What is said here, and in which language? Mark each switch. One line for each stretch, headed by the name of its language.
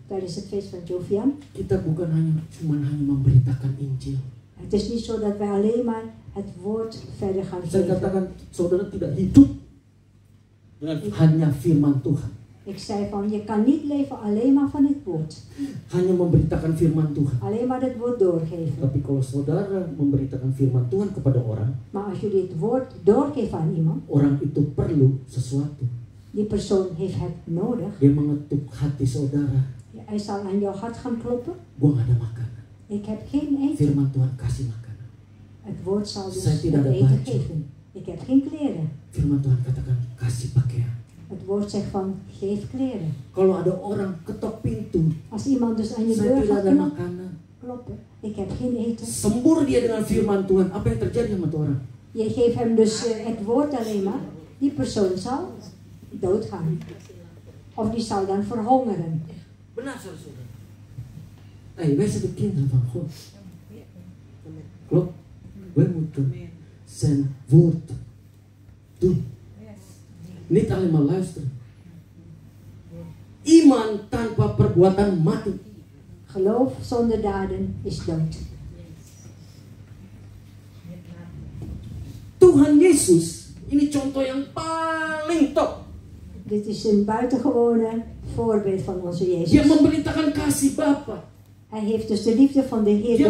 Dutch: Tijdens het feest van Jovian.
Indonesian: Kita bukan hanya cuma memberitakan Injil.
Dutch: Het is niet zo dat wij alleen maar het woord verder gaan geven.
Indonesian: Saya katakan saudara tidak hidup dengan hanya firman Tuhan.
Dutch: Ik zei van, je kan niet leven alleen maar van het woord.
Indonesian: Hanya memberitakan firman Tuhan.
Dutch: Alleen maar het woord doorgeven.
Indonesian: Tapi kalau saudara memberitakan firman Tuhan kepada orang.
Dutch: Maar als jullie het woord doorgeven aan iemand.
Indonesian: Orang itu perlu sesuatu.
Dutch: Die persoon heeft het nodig.
Indonesian: Dia mengetuk hati saudara.
Dutch: Ja, hij zal aan jouw hart gaan kloppen.
Indonesian: Gua gak ada makanan.
Dutch: Ik heb geen eten.
Indonesian: Firman Tuhan kasih makanan.
Dutch: Het woord zal dus het eten baju geven. Ik heb geen kleren.
Indonesian: Firman Tuhan katakan, kasih pakaian.
Dutch: Het woord zegt van, geef kleren.
Indonesian: Kalau ada orang ketok pintu,
Dutch: als iemand dus aan je deur gaat kloppen, ik heb geen eten.
Indonesian: Sembur dia dengan firman Tuhan. Apa yang terjadi sama orang?
Dutch: Je geeft hem dus het woord alleen maar. Die persoon zal doodgaan. Of die zal dan verhongeren.
Indonesian: Benar, saudara.
Dutch: Hey, wij zijn de kinderen van God. Klopt. Wij moeten zijn woord doen. Niet alleen maar luisteren.
Indonesian: Iman tanpa perbuatan mati.
Dutch: Geloof zonder daden is dood.
Indonesian: Tuhan Yesus, ini contoh yang paling top.
Dutch: Dit is een buitengewone voorbeeld van onze Jezus.
Indonesian: Dia memberitakan kasih Bapa.
Dutch: Hij heeft dus de liefde van de Heer